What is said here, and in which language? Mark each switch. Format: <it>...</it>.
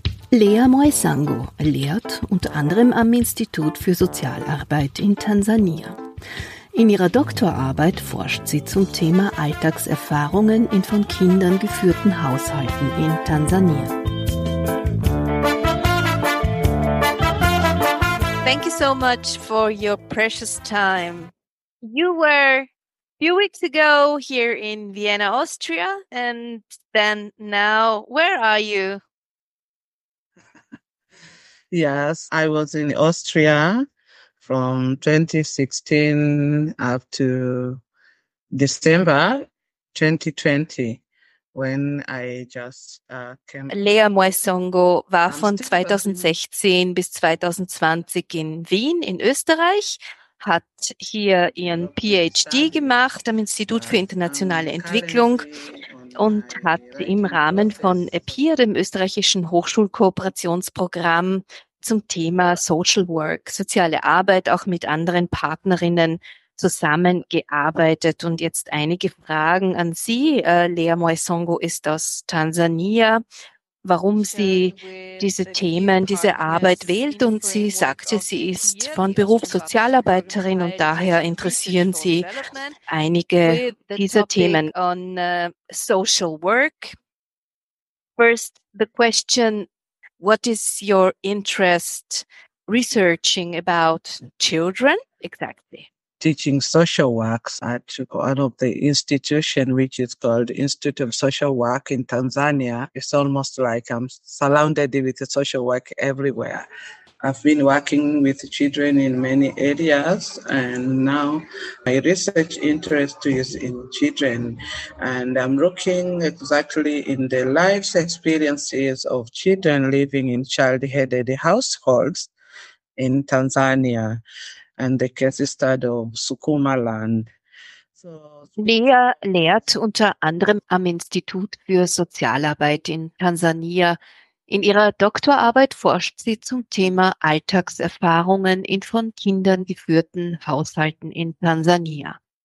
<de>Lea Moisango lehrt unter anderem am Institut für Sozialarbeit in Tansania. In ihrer Doktorarbeit forscht sie zum Thema Alltagserfahrungen in von Kindern geführten Haushalten in Tansania.</de> <en>Thank you so much for your precious time. You were a few weeks ago here in Vienna, Austria, and then now, where are you? Yes, I was in Austria from 2016 up to December 2020, when I just came.</en> <de>Lea Moisango war von 2016 bis 2020 in Wien in Österreich, hat hier ihren PhD gemacht am Institut für internationale Entwicklung und hat im Rahmen von APEAR, dem österreichischen Hochschulkooperationsprogramm, zum Thema Social Work, soziale Arbeit, auch mit anderen Partnerinnen zusammengearbeitet. Und jetzt einige Fragen an Sie. Lea Moisango ist aus Tansania. Warum sie diese Themen, diese Arbeit wählt? Und sie sagte, sie ist von Beruf Sozialarbeiterin und daher interessieren sie einige dieser Themen.</de> <en>On Social Work. First, the question: What is your interest researching about children exactly? Teaching social works at one of the institution, which is called Institute of Social Work in Tanzania. It's almost like I'm surrounded with social work everywhere. I've been working with children in many areas, and now my research interest is in children. And I'm looking exactly in the life experiences of children living in child-headed households in Tanzania and the case study of Sukumaland.</en> <de>Lea lehrt unter anderem am Institut für Sozialarbeit in Tansania. In ihrer Doktorarbeit forscht sie zum Thema Alltagserfahrungen in von Kindern geführten Haushalten in Tansania.</de>